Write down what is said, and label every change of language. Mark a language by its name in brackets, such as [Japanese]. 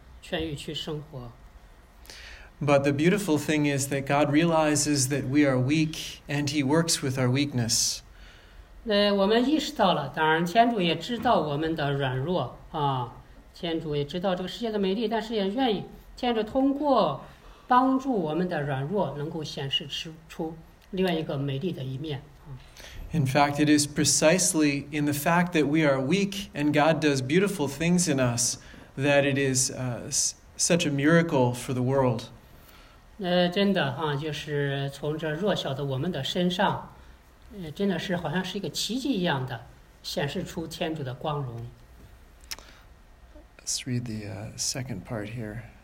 [Chinese] 那有的时候可能真的，当我们看到这两个伟大的目标的时候，我们感觉哦，确实很困难，去按照这个生活，按照这样的一种劝谕去生活。 [English] But the beautiful thing is that God realizes that we are weak and He works with our weakness. [Chinese] 我们意识到了，当然天主也知道我们的软弱啊，天主也知道这个世界的美丽，但是也愿意天主通过帮助我们的软弱，能够显示出另外一个美丽的一面啊。 [English] In fact, it is precisely in the fact that we are weak and God does beautiful things in us that it is such a miracle for the world. [Chinese] 真的哈，就是从这弱小的我们的身上，真的是好像是一个奇迹一样的，显示出天主的光荣。 [English] Let's read the second part here.